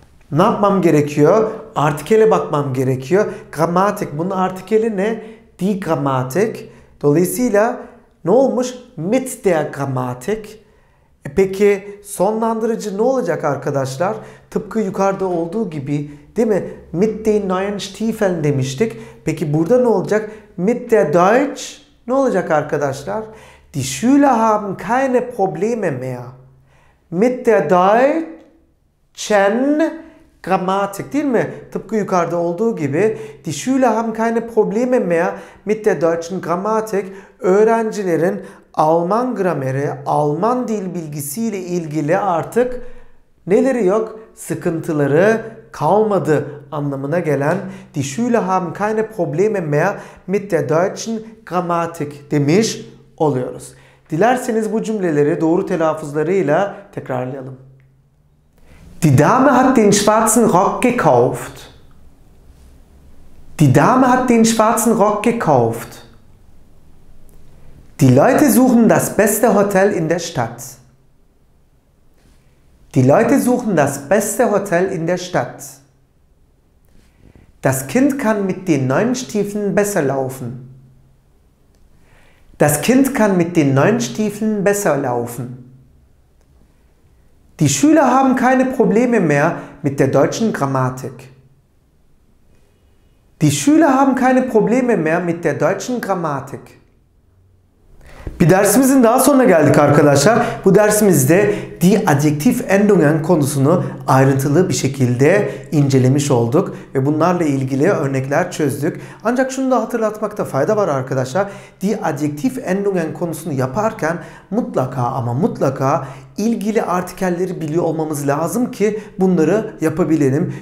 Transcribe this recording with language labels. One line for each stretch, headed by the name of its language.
Turkish: Ne yapmam gerekiyor? Artikele bakmam gerekiyor. Grammatik. Bunun artikeli ne?
German: Die Grammatik.
Turkish: Dolayısıyla ne olmuş?
German: Mit der Grammatik.
Turkish: Peki sonlandırıcı ne olacak arkadaşlar? Tıpkı yukarıda olduğu gibi, değil mi?
German: Mit den neuen Stiefeln
Turkish: demiştik. Peki burada ne olacak?
German: Mit der Deutsch
Turkish: ne olacak arkadaşlar?
German: Die Schüler haben keine Probleme mehr mit der deutschen Grammatik,
Turkish: değil mi? Tıpkı yukarıda olduğu gibi,
German: die Schüler haben keine Probleme mehr mit der deutschen Grammatik.
Turkish: Öğrencilerin Alman grameri, Alman dil bilgisiyle ilgili artık neleri yok? Sıkıntıları kalmadı anlamına gelen
German: die Schüler haben keine Probleme mehr mit der deutschen Grammatik
Turkish: demiş oluyoruz. Dilerseniz bu cümleleri doğru telaffuzlarıyla tekrarlayalım.
German: Die Dame hat den schwarzen Rock gekauft. Die Dame hat den schwarzen Rock gekauft. Die Leute suchen das beste Hotel in der Stadt. Die Leute suchen das beste Hotel in der Stadt. Das Kind kann mit den neuen Stiefeln besser laufen. Das Kind kann mit den neuen Stiefeln besser laufen. Die Schüler haben keine Probleme mehr mit der deutschen Grammatik. Die Schüler haben keine Probleme mehr mit der deutschen Grammatik.
Turkish: Bir dersimizin daha sonuna geldik arkadaşlar. Bu dersimizde die Adjektivendungen konusunu ayrıntılı bir şekilde incelemiş olduk. Ve bunlarla ilgili örnekler çözdük. Ancak şunu da hatırlatmakta fayda var arkadaşlar. Die Adjektivendungen konusunu yaparken mutlaka ama mutlaka ilgili artikelleri biliyor olmamız lazım ki bunları yapabilelim.